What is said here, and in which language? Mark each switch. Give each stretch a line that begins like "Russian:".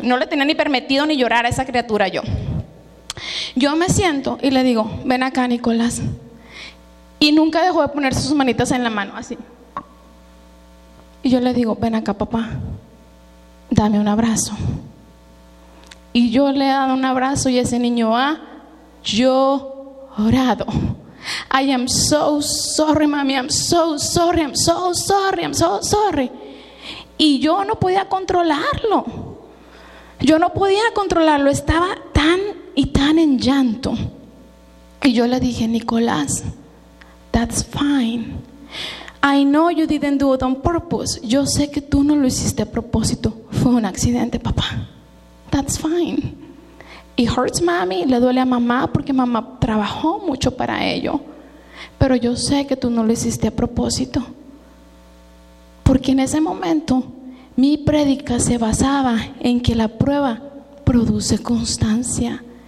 Spanish: No le tenía ni permitido ni llorar a esa criatura yo. Yo me siento y le digo, ven acá, Nicolás. Y nunca dejó de ponerse sus manitas en la mano, así. Y yo le digo, ven acá, papá, dame un abrazo. Y yo le he dado un abrazo y ese niño ha llorado.
English: I am so sorry, mami, I'm so sorry, I'm so sorry, I'm so sorry.
Spanish: Y yo no podía controlarlo. Yo no podía controlarlo, estaba tan y tan en llanto. Y yo le dije, Nicolás,
English: that's fine. I know you didn't do it on purpose.
Spanish: Yo sé que tú no lo hiciste a propósito. Fue un accidente, papá.
English: That's fine. It hurts, mami.
Spanish: Le duele a mamá porque mamá trabajó mucho para ello. Pero yo sé que tú no lo hiciste a propósito. Porque en ese momento, mi prédica se basaba en que la prueba produce constancia.